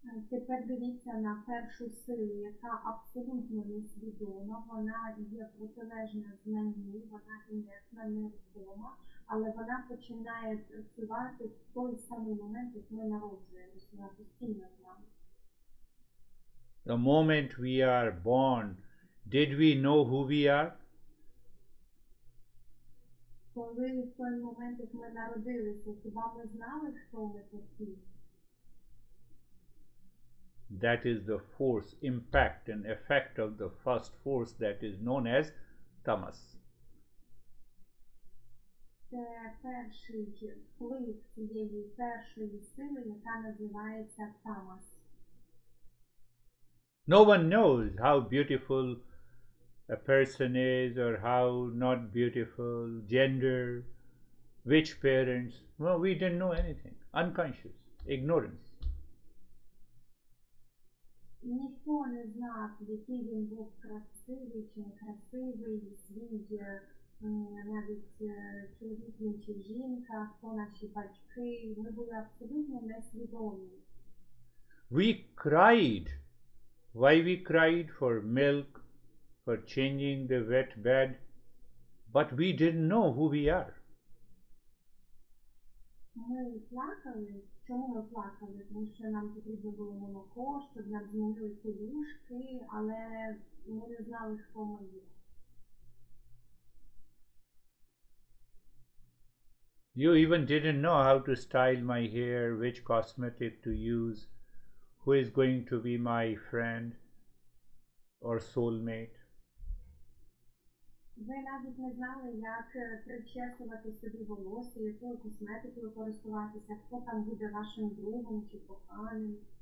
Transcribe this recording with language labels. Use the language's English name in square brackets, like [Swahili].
[Ukrainian] Тепер дивіться на першу силу, яка абсолютно несвідома, вона є протилежна знанню, вона інертна, нерухома, але вона починає працювати в той самий момент, як ми народжуємося, вона постійно з нами. [English] The moment we are born, did we know who we are? [Ukrainian] Коли в той момент, як ми народилися, хіба ми знали, хто ми такі? [English] That is the force, impact and effect of the first force that is known as tamas. [Ukrainian] Це перший вплив цієї першої сили, яка називається tamas. [English] No one knows how beautiful a person is or how not beautiful, gender, which parents. Well, we didn't know anything. Unconscious, ignorance. [Ukrainian] Ніхто не знав, який він був красивий чи некрасивий, свій, навіть чоловік він чи жінка, хто наші батьки. Ми були абсолютно несвідомі. [English] We cried. Why we cried? For milk, for changing the wet bed. But we didn't know who we are. [Ukrainian] Ми плакали. Чому ми плакали? Тому що нам потрібно було молоко, щоб нам змінили подушки, але ми не знали, хто ми є. [English] You even didn't know how to style my hair, which cosmetic to use, who is going to be my friend or soulmate. [Ukrainian] Ви навіть не знали, як причесувати собі волосся, якою косметикою користуватися, хто там буде вашим другом чи коханим.